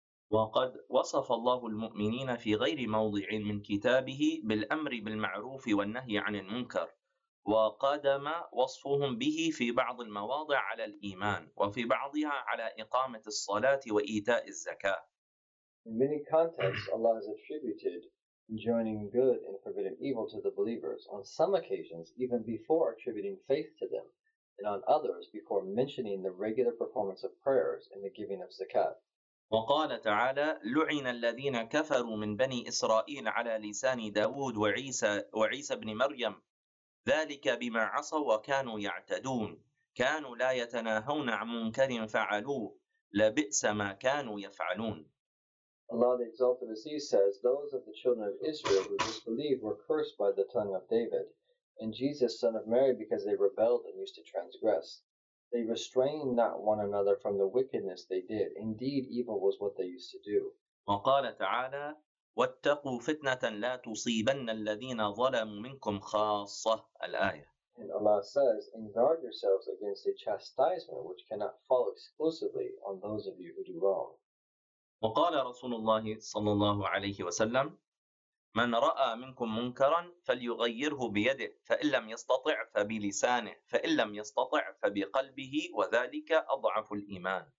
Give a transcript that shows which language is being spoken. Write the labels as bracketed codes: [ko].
[ar] وَقَدْ وَصَفَ اللَّهُ الْمُؤْمِنِينَ فِي غَيْرِ مَوْضِعٍ مِنْ كِتَابِهِ بِالْأَمْرِ بِالْمَعْرُوفِ وَالنَّهْيِ عَنِ الْمُنْكَرِ وَقَدَمَ وَصْفُهُمْ بِهِ فِي بَعْضِ الْمَوَاضِعِ عَلَى الْإِيمَانِ وَفِي بَعْضِهَا عَلَى إِقَامَةِ الصَّلَاةِ وَإِيتَاءِ الزَّكَاةِ. [en] In many contexts, Allah has attributed enjoining good and forbidding evil to the believers, on some occasions even before attributing faith to them, and on others before mentioning the regular performance of prayers and the giving of zakat. [ar] وقال تعالى لعن الذين كفروا من بني إسرائيل على لسان داود وعيسى بن مريم ذلك بما عصوا وكانوا يعتدون كانوا لا يتناهون عن منكر فعلوه لبئس ما كانوا يفعلون. [en] Allah the Exalted Aziz says, those of the children of Israel who disbelieved were cursed by the tongue of David and Jesus, son of Mary, because they rebelled and used to transgress. They restrained not one another from the wickedness they did. Indeed, evil was what they used to do. [ar] وقال تعالى وَاتَّقُوا فِتْنَةً لَا تُصِيبَنَّ الَّذِينَ ظَلَمُوا مِنْكُمْ خَاصَّةَ الْآيَةِ. [en] And Allah says, and guard yourselves against a chastisement which cannot fall exclusively on those of you who do wrong. [ar] وقال رسول الله صلى الله عليه وسلم من رأى منكم منكرا فليغيره بيده فإن لم يستطع فبلسانه فإن لم يستطع فبقلبه وذلك أضعف الإيمان.